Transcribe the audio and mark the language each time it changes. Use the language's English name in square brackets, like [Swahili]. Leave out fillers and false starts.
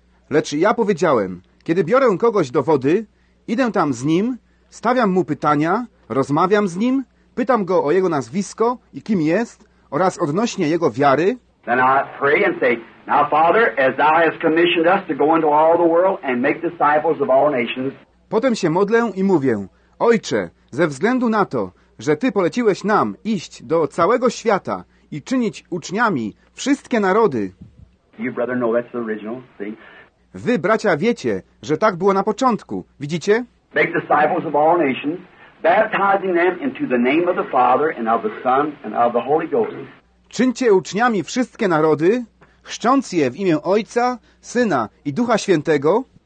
[Polish] Lecz ja powiedziałem, kiedy biorę kogoś do wody, idę tam z nim, stawiam mu pytania, rozmawiam z nim, pytam go o jego nazwisko i kim jest oraz odnośnie jego wiary. [English] Then I pray and say, now, Father, as thou hast commissioned us to go into all the world and make disciples of all nations. [Polish] Potem się modlę i mówię, Ojcze, ze względu na to, że Ty poleciłeś nam iść do całego świata i czynić uczniami wszystkie narody. [English] You, brother, know that's the original, see? [Polish] Wy, bracia, wiecie, że tak było na początku, widzicie? [English] Make disciples of all nations, baptizing them into the name of the Father and of the Son and of the Holy Ghost. [Polish] Czyńcie uczniami wszystkie narody, chrzcząc je w imię Ojca, Syna i Ducha Świętego.